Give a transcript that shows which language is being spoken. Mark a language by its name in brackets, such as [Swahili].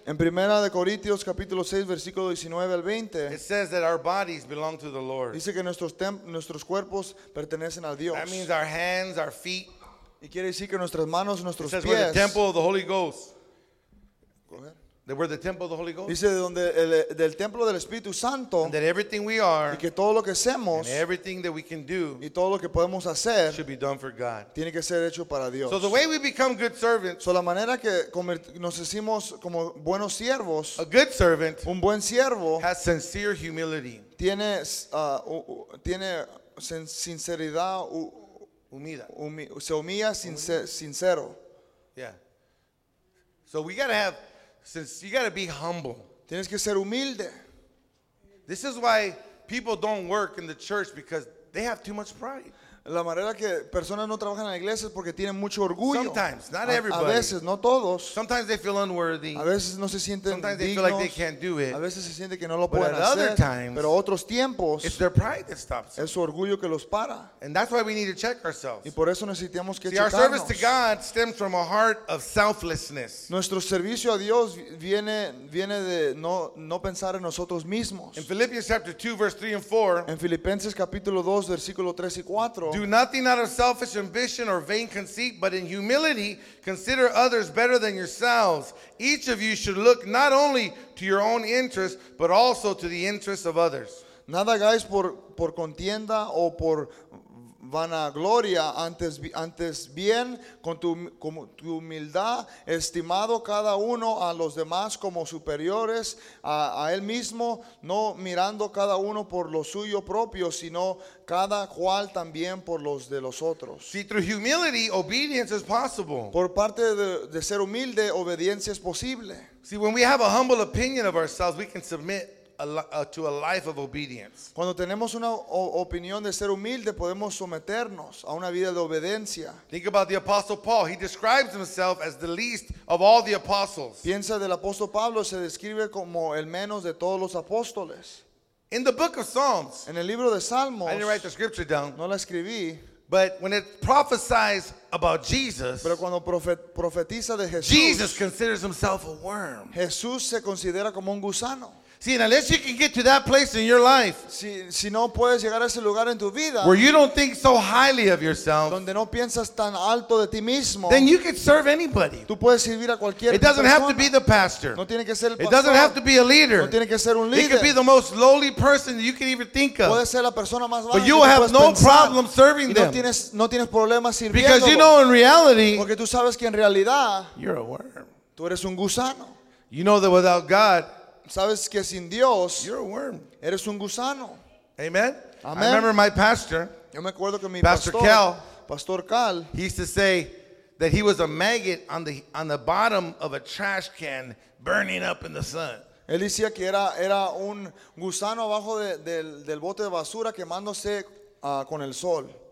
[Spanish] en Primera de Corintios, capítulo 6, versículo 19 al 20, [English] it says that our bodies belong to the Lord. [Spanish] Dice que nuestros cuerpos pertenecen a Dios. [English] That means our hands, our feet. [Spanish] Y quiere decir que nuestras manos, nuestros [English] it says [Spanish] pies, [English] we're the temple of the Holy Ghost. Go ahead. That we're the temple of the Holy Ghost. [Spanish] Dice donde el, del templo del Espíritu Santo. [English] And that everything we are. [Spanish] Y que todo lo que hacemos. [English] And everything that we can do. [Spanish] Y todo lo que podemos hacer. [English] Should be done for God. [Spanish] Tiene que ser hecho para Dios. [English] So the way we become good servants. [Spanish] So la manera que nos hicimos como buenos siervos. [English] A good servant. [Spanish] Un buen siervo. [English] Has sincere humility. [Spanish] Tiene tiene sinceridad. Humida. Se humilla sincero. [English] Yeah. So we gotta have. Since you gotta be humble. [Spanish] Tienes que ser humilde. [English] This is why people don't work in the church because they have too much pride. [Spanish] La manera que personas no trabajan en la iglesia es porque tienen mucho orgullo. [English] Sometimes, not everybody. [Spanish] A veces, no todos. [English] Sometimes they feel unworthy. [Spanish] A veces no se sienten dignos. [English] Sometimes they feel like they can't do it. [Spanish] A veces se siente que no lo pueden hacer. [English] But other times, [Spanish] pero otros tiempos, [English] it's their pride that stops them. [Spanish] Es su orgullo que los para. [English] And that's why we need to check ourselves. [Spanish] Y por eso necesitamos que checarnos. [English] See, our service to God stems from a heart of selflessness. [Spanish] Nuestro servicio a Dios viene de no pensar en nosotros mismos. [English] In Philippians chapter 2, verse 3 and 4. [Spanish] En Filipenses capítulo 2, versículo 3 y 4. [English] Do nothing out of selfish ambition or vain conceit, but in humility consider others better than yourselves. Each of you should look not only to your own interests, but also to the interests of others. [Spanish] Nada hagáis por contienda o por vanagloria, antes bien con tu humildad, estimado cada uno a los demás como superiores a él mismo, no mirando cada uno por lo suyo propio, sino cada cual también por los de los otros. [English] See, through humility, obedience is possible. [Spanish] Por parte de ser humilde, obediencia es posible. [English] See, when we have a humble opinion of ourselves, we can submit to a life of obedience. [Spanish] Cuando tenemos una opinión de ser humilde, podemos someternos a una vida de obediencia. [English] Think about the Apostle Paul. He describes himself as the least of all the apostles. [Spanish] Piensa del apóstol Pablo, se describe como el menos de todos los apóstoles. [English] In the book of Psalms. [Spanish] En el libro de Salmos. [English] I didn't write the scripture down. [Spanish] No la escribí. [English] But when it prophesies about Jesus, [Spanish] pero cuando profetiza de Jesús, [English] Jesus considers himself a worm. [Spanish] Jesús se considera como un gusano. [English] See, and unless you can get to that place in your life, [Spanish] si no puedes llegar a ese lugar en tu vida, [English] where you don't think so highly of yourself, [Spanish] donde no piensas tan alto de ti mismo, [English] then you can serve anybody. [Spanish] Tú puedes servir a cualquier persona. [English] It doesn't [Spanish] persona. [English] Have to be the pastor. [Spanish] No tiene que ser el pastor. [English] It doesn't have to be a leader. [Spanish] No tiene que ser un líder. [English] It could be the most lowly person that you can even think of. [Spanish] Puede ser la persona más baja. [English] But you will have no problem serving them. [Spanish] No tienes problemas sirviendo. [English] Because you know in reality, [Spanish] porque tú sabes que en realidad, [English] you're a worm. [Spanish] Tú eres un gusano. [English] You know that without God, [Spanish] sabes que sin Dios, [English] you're a worm. [Spanish] Eres un gusano. [English] Amen. [Spanish] Amen. [English] I remember my pastor. [Spanish] Yo me acuerdo que mi pastor Cal. [English] He used to say that he was a maggot on the bottom of a trash can burning up in the sun. [Spanish] Él decía que era un gusano abajo del bote de basura quemándose con el sol.